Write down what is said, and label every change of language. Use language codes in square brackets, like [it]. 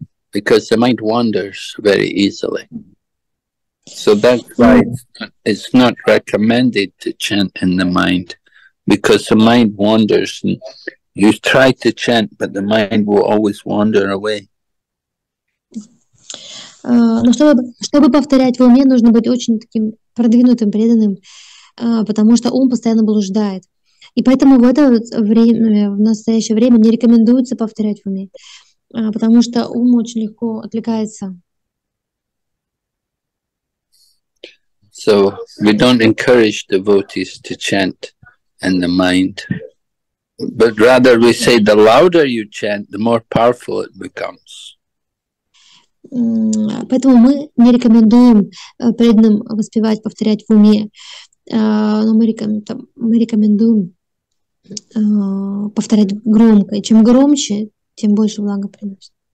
[en] Because the mind wanders very easily. So that's why it's not recommended to chant in the mind. Because the mind wanders. You try to chant, but the mind will always wander away. [ru] Но чтобы повторять в уме, нужно быть очень таким продвинутым, преданным, потому что ум постоянно блуждает. И поэтому в это время, в настоящее время, не рекомендуется повторять в уме. Потому что ум очень легко отвлекается. [en] So we don't encourage devotees to chant in the mind. But rather we say the louder you chant, the more powerful it becomes. [ru] Поэтому мы не рекомендуем преданным воспевать, повторять в уме. Но мы рекомендуем повторять громко. И чем громче, тем больше блага приносит.